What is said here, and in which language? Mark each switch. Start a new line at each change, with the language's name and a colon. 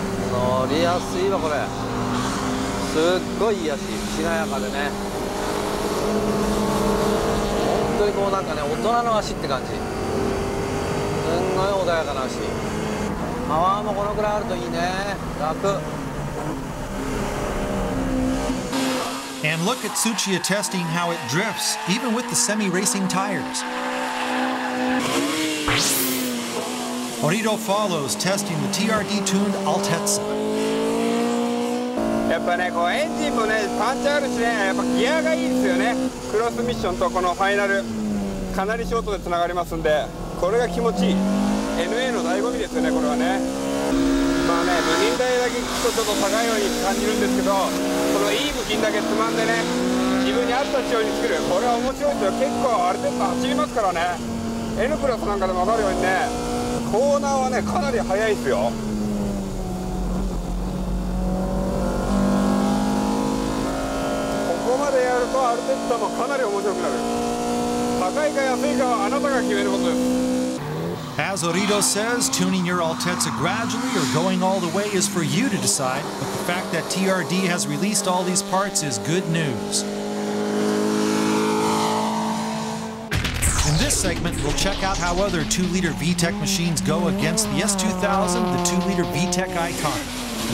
Japanese: 乗りやすいわこれ。すっごいいいやし、しなやかでね。こうなんかね、大人の足って感じ。すんごい穏やかな足。パワーもこのくらいあるといいね。楽。
English: And look at Tsuchiya testing how it drifts, even with the semi-racing tires. Orito follows, testing the TRD-tuned Altezza.
Japanese: やっぱね、こうエンジンもね、パンチあるしね、やっぱギアがいいですよね。クロスミッションとこのファイナル、かなりショートでつながりますんで、これが気持ちいい。 NA の醍醐味ですよね、これはね。まあね、部品代だけ聞くとちょっと高いように感じるんですけど、このいい部品だけつまんでね、自分に合った仕様に作る、これは面白いですよ。結構アルテッド走りますからね。N クラスなんかでも分かるようにね、コーナーはね、かなり速いですよ。ここまでやるとアルテッドもかなり面白くなる。高いか安いかはあなたが決めることです。
English: As Orito says, tuning your Altezza gradually or going all the way is for you to decide, but the fact that TRD has released all these parts is good news. In this segment, we'll check out how other 2-liter VTEC machines go against the S2000, the 2-liter VTEC Icon.